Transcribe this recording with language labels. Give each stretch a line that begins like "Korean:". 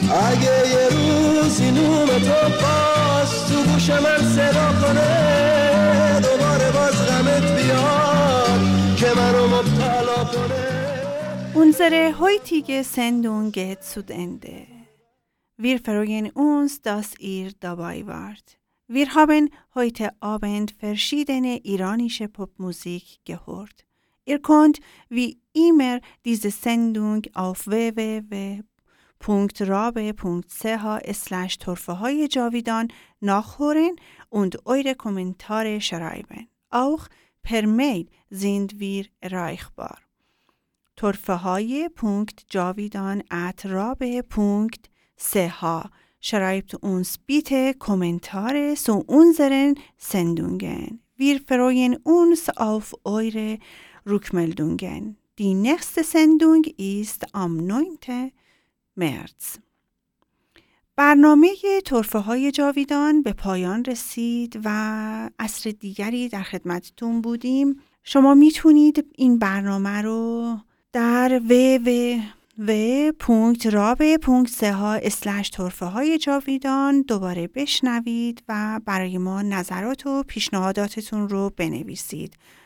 Persian: اگه یه روز این اومد تو باز تو گوش من صدا کنه، دوباره باز غمت بیاد که منو مبتلا کنه. اونزره های تیگه سندون گهت سود انده ویر فروین اونز داس ایر دابای وارد
German: Wir haben heute Abend verschiedene iranische Popmusik gehört. Ihr könnt wie immer diese Sendung auf www.rabe.ch/torfehajavidan nachhören und eure Kommentare schreiben. Auch per Mail sind wir erreichbar. torfehaje.javidan@rabe.ch Schreibt uns bitte Kommentare zu unseren Sendungen. Wir freuen uns auf eure Rückmeldungen. Die nächste Sendung ist am 9. März.
Persian: برنامه طرفه های جاویدان به پایان رسید و عصر دیگری در خدمتتون بودیم. شما میتونید این برنامه رو در www.rabe.ch/torfehajavidan دوباره بشنوید و برای ما نظرات و پیشنهاداتتون رو بنویسید.